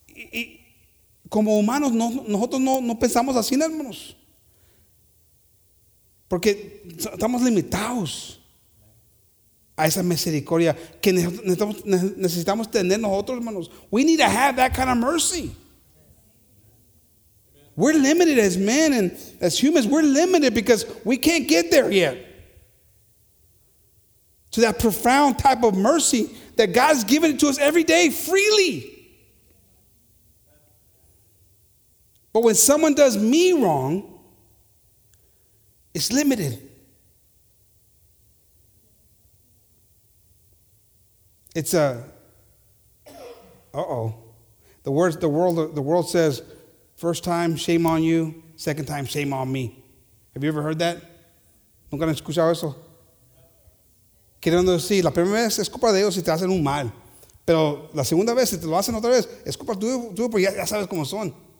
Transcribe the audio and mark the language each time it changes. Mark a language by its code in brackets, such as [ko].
[es] Y como humanos, nosotros no pensamos así, hermanos. Porque estamos limitados a esa misericordia que necesitamos tener nosotros, hermanos. [en] We need to have that kind of mercy. We're limited as men and as humans. We're limited because we can't get there yet to that profound type of mercy that God's given to us every day freely. But when someone does me wrong, it's limited. It's a the world says, first time shame on you, second time shame on me. Have you ever heard that? [es] ¿Nunca han escuchado eso? Quieren decir, la primera vez es culpa de ellos si te hacen un mal, pero la segunda vez si te lo hacen otra vez es culpa tuya porque ya sabes cómo son.